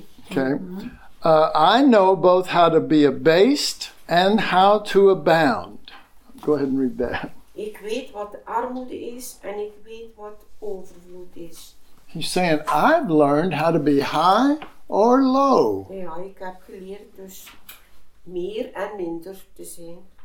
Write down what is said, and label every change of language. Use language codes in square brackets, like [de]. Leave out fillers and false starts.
[en] Okay. I know both how to be abased and how to abound. Go ahead and read that. [nl] Ik weet wat armoede is en ik weet wat overvloed is. [en] He's saying, I've learned how to be high or low. [nl] Ja, ik heb geleerd dus meer en minder te zijn.